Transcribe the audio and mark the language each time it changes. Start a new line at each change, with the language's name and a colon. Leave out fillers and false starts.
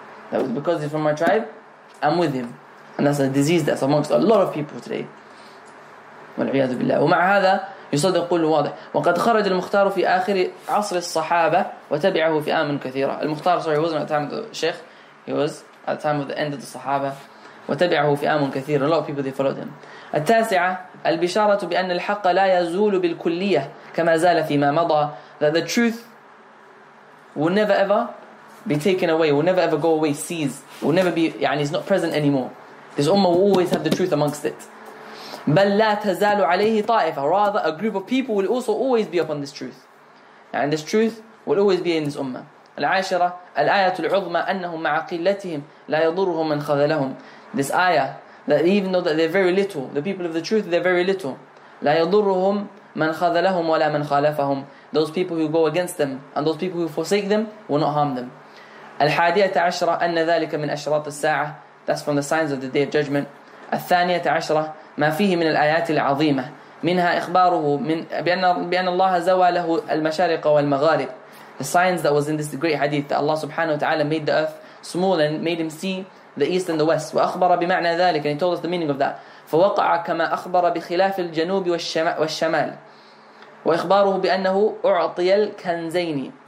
English: That was because he's from my tribe, I'm with him. And that's a disease that's amongst a lot of people today.
Arabic: وَالْعِيَادُ بِاللَّهِ وَمَعَ هَذَا يُصَدِقُ الْوَاضِحِ وَقَدْ خَرَجَ الْمُخْتَارُ فِي آخِرِ عَصْرِ الصَّحَابَةِ وَتَبِعَهُ فِئَامٌ كَثِيرَةٌ المختار,
English: sorry, he wasn't at the time of the Sheikh. He was at the time of the end of the Sahaba.
Arabic: وَتَبِعَهُ فِئَامٌ كَثِيرَةٌ.
English: A lot of people, they followed him.
Arabic: التاسعة البشارة بأن الحق لا يزول بالكلية كما زال فيما مضى.
English: That the truth will never ever be taken away, will never ever go away, cease, will never be, يعني, it's not present anymore. This ummah will always have the truth amongst it.
Arabic: بل لا تزال عليه طائفة.
English: Rather, a group of people will also always be upon this truth. And this truth will always be in this ummah.
Arabic: العاشرة الآية العظمى أنهم مع قلتهم لا يضرهم من خذلهم.
English: This ayah, that even though that they're very little, the people of the truth, they're very little.
Arabic: لا يضرهم من خذلهم ولا من خالفهم.
English: Those people who go against them and those people who forsake them will not harm them.
Arabic: الحادية عشرة أن ذلك من أشراط الساعة.
English: That's from the signs of the day of judgment.
Arabic: الثانية عشرة ما فيه من الآيات العظيمة منها إخباره من بأن الله زوى له المشارق والمغارب.
English: The signs that was in this great hadith, that Allah subhanahu wa ta'ala made the earth small and made him see the east and the west.
Arabic: وأخبر بمعنى ذلك,
English: and he told us the meaning of that.
Arabic: فوقع كما أخبر بخلاف الجنوب والشمال وإخباره بأنه أعطي الكنزين.